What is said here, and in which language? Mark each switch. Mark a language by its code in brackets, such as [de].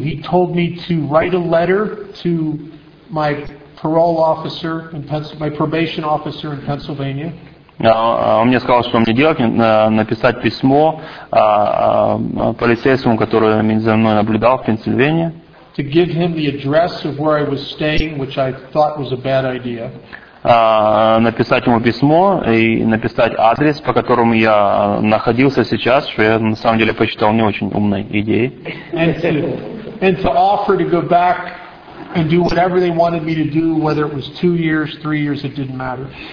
[en] He told me to write a letter to my parole officer, my probation officer in Pennsylvania. [ru] Он мне сказал, что мне делать, написать письмо полицейскому, который за мной наблюдал в Пенсильвании. [en] To give him the address of where I was staying, which I thought was a bad idea. [ru] Написать ему письмо и написать адрес, по которому я находился сейчас, что я на самом деле посчитал не очень умной идеей. [en] And to offer to go back and do whatever they wanted me to do, whether it was 2 years, 3 years, it didn't matter.